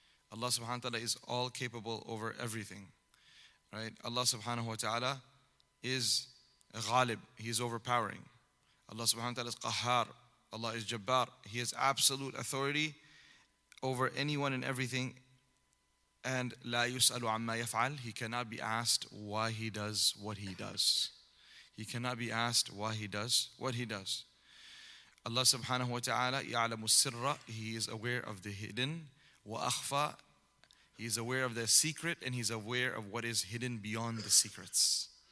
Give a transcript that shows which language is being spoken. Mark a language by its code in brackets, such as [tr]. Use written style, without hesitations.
[en] Allah subhanahu wa ta'ala is all capable over everything. Right? Allah subhanahu wa ta'ala is غالب. He is overpowering. Allah subhanahu wa ta'ala is قَهَّار. Allah is جَبَّار. He has absolute authority over anyone and everything. [ar] And لَا يُسْأَلُ عَمَّا يَفْعَلْ. [en] He cannot be asked why he does what he does. He cannot be asked why he does what he does. Allah subhanahu wa ta'ala [ar] يَعْلَمُ السِّرَّ. [en] He is aware of the hidden. [ar] وَأَخْفَى. [en] He is aware of the secret and he's aware of what is hidden beyond the secrets.